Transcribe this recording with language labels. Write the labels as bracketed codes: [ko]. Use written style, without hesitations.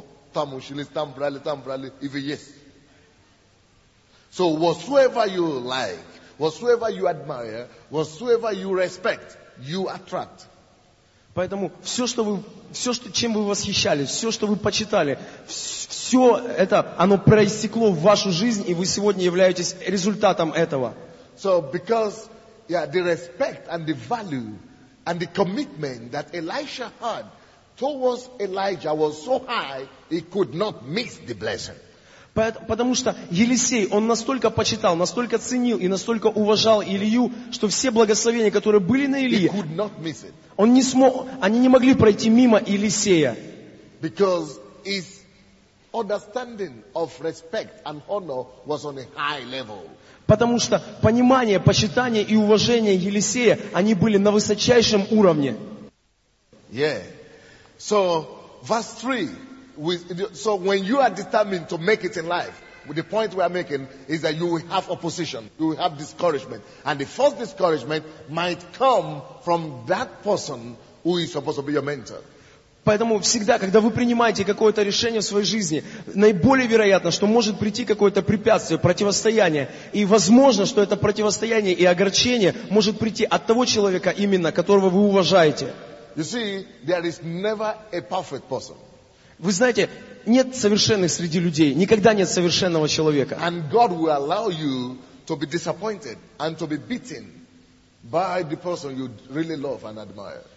[ru] Там ушли, там брали, и вы есть. [en] So whatsoever you like, whatsoever you admire, whatsoever you respect, you attract. [ru] Поэтому чем вы восхищались, все, что вы почитали, все это, оно проистекло в вашу жизнь, и вы сегодня являетесь результатом этого. [en] So because the respect and the value and the commitment that Elisha had towards Elijah was so high, he could not miss the blessing. [ru] Потому что Елисей, он настолько почитал, настолько ценил и настолько уважал Илью, что все благословения, которые были на Илье, [en] he could not miss it. [ru] Он не смог, они не могли пройти мимо Елисея. [en] Because his understanding of respect and honor was on a high level. [ru] Потому что понимание, почитание и уважение Елисея, они были на высочайшем уровне. [en] Yeah. So, verse 3, when you are determined to make it in life, the point we are making is that you will have opposition, you will have discouragement. And the first discouragement might come from that person who is supposed to be your mentor. [ru] Поэтому всегда, когда вы принимаете какое-то решение в своей жизни, наиболее вероятно, что может прийти какое-то препятствие, противостояние. И возможно, что это противостояние и огорчение может прийти от того человека именно, которого вы уважаете. [en] You see, there is never a perfect person. [ru] Вы знаете, нет совершенных среди людей. Никогда нет совершенного человека. [en] And God will allow you to be disappointed and to be beaten by the person you really love and admire.